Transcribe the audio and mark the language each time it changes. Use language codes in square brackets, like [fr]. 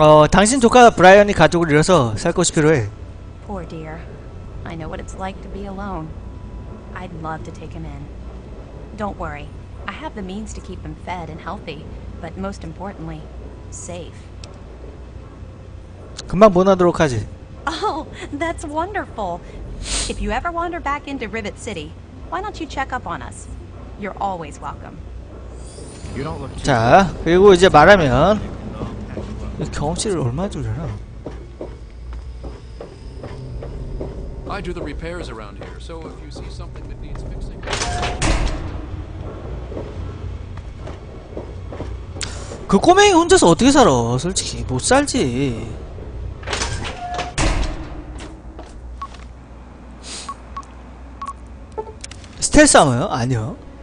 [ko] 당신 조카 브라이언이 가족을 잃어서 살 곳이 필요해. [en] Poor dear. I know what it's like to be alone. I'd love to take him in. Don't worry. I have the means to keep him fed and healthy, but most importantly, safe. [ko] 금방 보내도록 하지. [en] Oh, that's wonderful. If you ever wander back into Rivet City, why don't you check up on us? You're always welcome. [ko] 자, 그리고 이제 말하면 경험치를 얼마 주려나? [en] I do the repairs around here, so if you see something that needs fixing. [ko] 그 꼬맹이 혼자서 어떻게 살아? 솔직히 못 살지. 스텔스 아머요? 아니요.